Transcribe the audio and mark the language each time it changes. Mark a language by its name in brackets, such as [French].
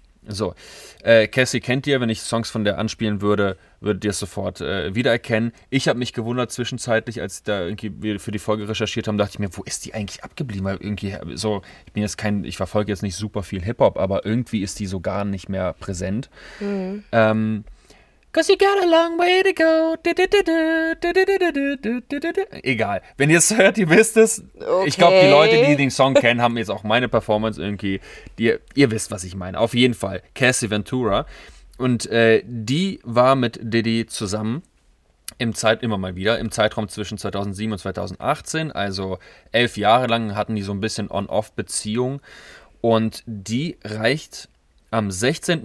[German] So, Cassie kennt ihr, wenn ich Songs von der anspielen würde, würdet ihr es sofort wiedererkennen. Ich habe mich gewundert zwischenzeitlich, als da irgendwie für die Folge recherchiert haben, dachte ich mir, wo ist die eigentlich abgeblieben? Weil irgendwie so, ich verfolge jetzt nicht super viel Hip-Hop, aber irgendwie ist die so gar nicht mehr präsent. Mhm. [English] 'Cause you got a long way to go. [German] Egal. Wenn ihr es hört, ihr wisst es. Okay. Ich glaube, die Leute, die den Song kennen, haben jetzt auch meine Performance irgendwie. Ihr wisst, was ich meine. Auf jeden Fall. Cassie Ventura. Und die war mit Diddy zusammen im Zeitraum zwischen 2007 und 2018. Also 11 Jahre lang hatten die so ein bisschen On-Off-Beziehung. Und die reicht am 16.